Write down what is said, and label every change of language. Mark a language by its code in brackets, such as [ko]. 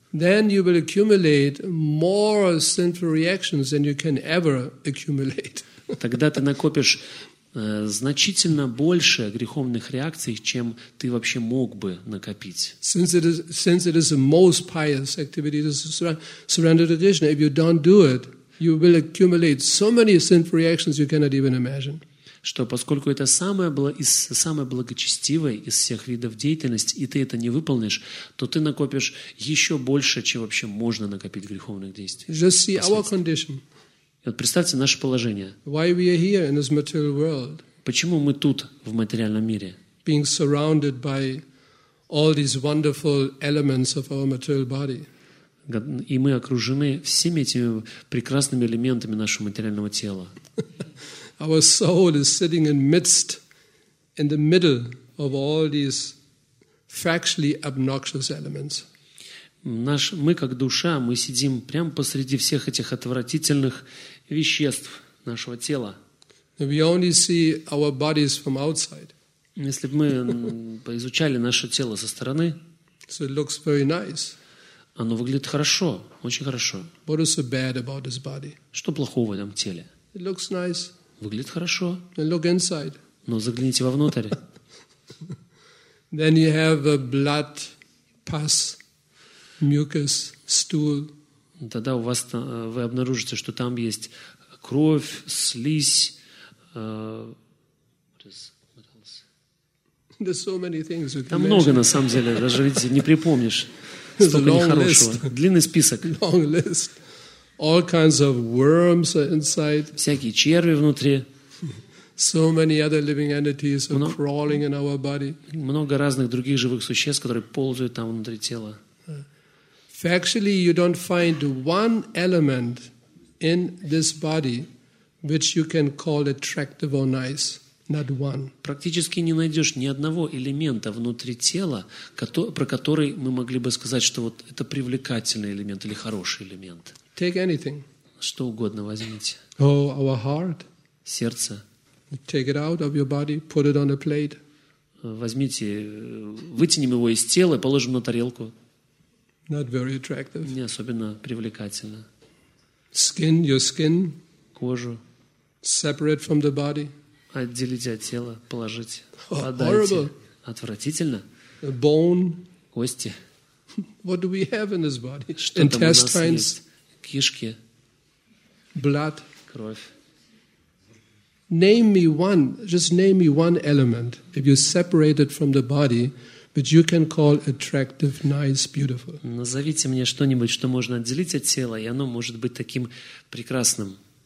[en] Then you will accumulate more sinful reactions than you can ever accumulate. [ru] Тогда ты накопишь значительно больше греховных реакций, чем ты вообще мог бы накопить. [en] Since it is the most pious activity to surrender to Krishna, if you don't do it, you will accumulate so many sinful reactions you cannot even imagine. [ru] Что поскольку это самое благочестивое из всех видов деятельности, и ты это не выполнишь, то ты накопишь еще больше, чем вообще можно накопить греховных действий. [en] Just see our condition. [ru] Вот представьте наше положение. [en] Why we are here in this material world? [ru] Почему мы тут, в материальном мире? [en] Being surrounded by all these wonderful elements of our material body. [ru] И мы окружены всеми этими прекрасными элементами нашего материального тела. [en] Our soul is sitting in the middle of all these factually obnoxious elements. [ru] Мы как душа, мы сидим прямо посреди всех этих отвратительных веществ нашего тела. [en] We only see our bodies from outside. [ru] Если бы мы поизучали наше тело со стороны, [en] so it looks very nice. [ru] Оно выглядит хорошо, очень хорошо. [en] What is so bad about this body? [ru] Что плохого в этом теле? [en] It looks nice. [ru] Выглядит хорошо. [en] And look inside. [ru] Но загляните вовнутрь. [en] Then you have a blood, pus, mucus, stool. [ru] Тогда у вас вы обнаружите, что там есть кровь, слизь. [en] There's so many things you can. [ru] Там много на самом деле, даже видите, не припомнишь. Столько нехорошего. Длинный список. [en] Long list. All kinds of worms are inside. [ru] Всякие черви внутри. [en] So many other living entities are crawling in our body. [ru] Много разных других живых существ, которые ползают там внутри тела. [en] Factually, you don't find one element in this body which you can call attractive or nice. Not one. [ru] Практически не найдешь ни одного элемента внутри тела, про который мы могли бы сказать, что вот это привлекательный элемент или хороший элемент. [en] Take anything. [ru] Что угодно возьмите. [en] Oh, our heart. [ru] Сердце. [en] Take it out of your body, put it on a plate. [ru] Возьмите, вытянем его из тела и положим на тарелку. [en] Not very attractive. [ru] Не особенно привлекательно. [en] Skin, your skin. [ru] Кожу. [en] Separate from the body. [ru] Отделите от тела, положите. [en] Oh, horrible. [ru] Отвратительно. [en] A bone. [ru] Кости. [en] What do we have in this body? [ru] Что [en] Intestines. [ru] Кишки. [en] Blood. [ru] Кровь. [en] Name me one, just name me one element, if you separate it from the body, which you can call attractive, nice, beautiful. [ru] Назовите мне что-нибудь, что можно отделить от тела, и оно может быть таким прекрасным.